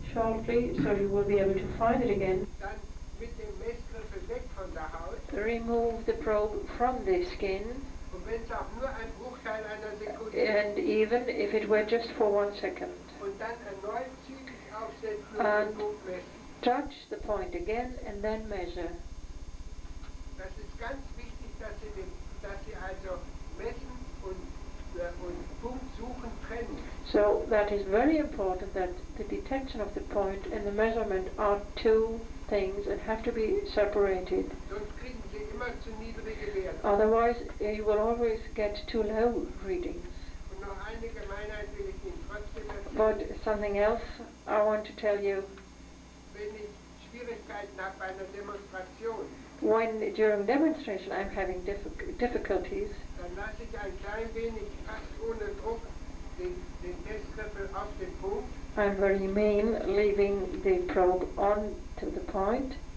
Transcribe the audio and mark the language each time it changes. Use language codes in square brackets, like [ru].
[en] shortly, so you will be able to find it again, [de] dann mit dem Messgriffel weg von der Haut, [en] remove the probe from the skin, [de] und wenn es auch nur ein Bruchteil einer Sekunde, [en] and even if it were just for 1 second, [de] und dann erneut [en] and touch the point again and then measure. [de] Das ist ganz wichtig, dass Sie also messen und Punkt suchen trennen. [en] So that is very important that the detection of the point and the measurement are two things that have to be separated. [de] Sonst kriegen Sie immer zu niedrige Werte. [en] Otherwise you will always get too low readings. [de] Und noch eine Gemeinheit will ich Ihnen trotzdem erzählen. [en] But something else I want to tell you. [de] Wenn ich Schwierigkeiten habe bei einer Demonstration, [en] when during demonstration I'm having difficulties, [de] dann lasse ich ein klein wenig fast ohne Druck den Messgriffel auf den Punkt. [en] I'm very mean, leaving the probe on to the point.